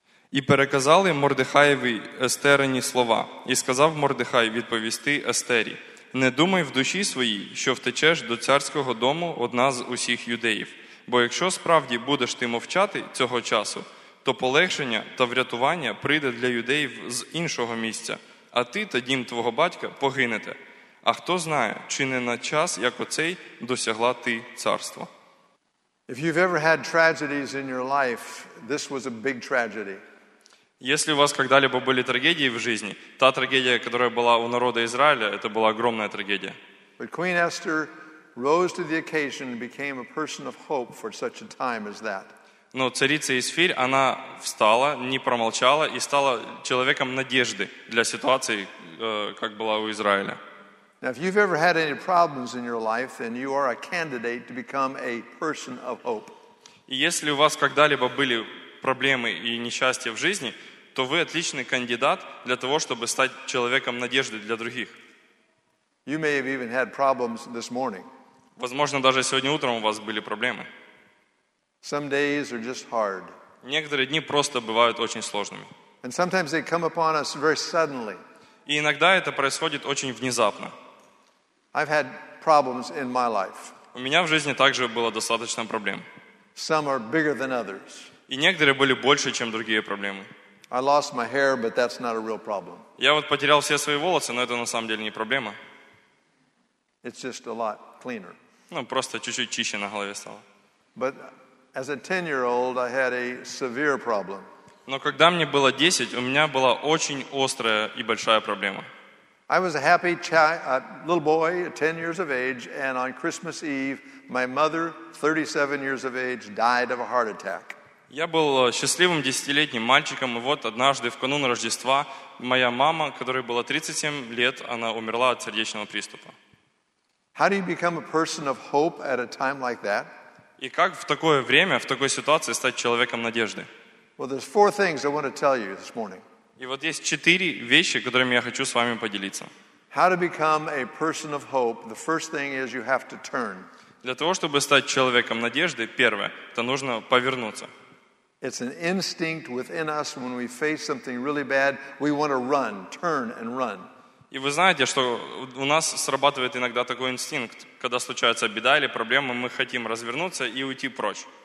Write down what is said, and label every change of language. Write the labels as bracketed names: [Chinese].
[Ukrainian] И переказал им Мордехаеви Естерині слова, и сказав Мордехай відповісти Естері: не думай в душі своїй, що втечеш до царського дому одна з усіх юдеїв. Бо якщо справді будеш ти мовчати цього часу, то полегшення та врятування прийде для юдеїв з іншого місця, а ти та дім твого батька погинете. А хто знає, чи не на час, як оцей, досягла ти царства. [English] If you've ever had tragedies in your life, this was a big tragedy. [Russian] Если у вас когда-либо были трагедии в жизни, та трагедия, которая была у народа Израиля, это была огромная трагедия. [English] But Queen Esther rose to the occasion and became a person of hope for such a time as that. [Russian] Но царица Эсфирь, она встала, не промолчала и стала человеком надежды для ситуации, как была у Израиля. [English] Now, if you've ever had any problems in your life, then you are a candidate to become a person of hope. [Russian] И если у вас когда-либо были проблемы и несчастья в жизни, то вы отличный кандидат для того, чтобы стать человеком надежды для других. [English] You may have even had problems this morning. [Russian] Возможно, даже сегодня утром у вас были проблемы. [English] Some days are just hard. [Russian] Некоторые дни просто бывают очень сложными. [English] And sometimes they come upon us very suddenly. [Russian] И иногда это происходит очень внезапно. [English] I've had problems in my life. [Russian] У меня в жизни также было достаточно проблем. [English] Some are bigger than others. [Russian] И некоторые были больше, чем другие проблемы. [English] I lost my hair, but that's not a real problem. [Russian] Я вот потерял все свои волосы, но это на самом деле не проблема. [English] It's just a lot cleaner. [Russian] Ну, просто чуть-чуть чище на голове стало. [English] But as a 10-year-old, I had a severe problem. [Russian] Но когда мне было 10, у меня была очень острая и большая проблема. [English] I was a happy little boy, 10 years of age, and on Christmas Eve, my mother, 37 years of age, died of a heart attack. [Russian] Я был счастливым 10-летним мальчиком, и вот однажды в канун Рождества моя мама, которой было 37 лет, она умерла от сердечного приступа. [English] How do you become a person of hope at a time like that? [Russian] И как в такое время, в такой ситуации стать человеком надежды? [English] Well, there's four things I want to tell you this morning. [Russian] И вот есть четыре вещи, которыми я хочу с вами поделиться. [English] How to become a person of hope? The first thing is you have to turn. [Russian] Для того, чтобы стать человеком надежды, первое, это нужно повернуться. [English] It's an instinct within us when we face something really bad, we want to run, turn and run. [Russian] И вы знаете, что у нас срабатывает иногда такой инстинкт, когда случается беда или проблема, мы хотим развернуться и уйти прочь.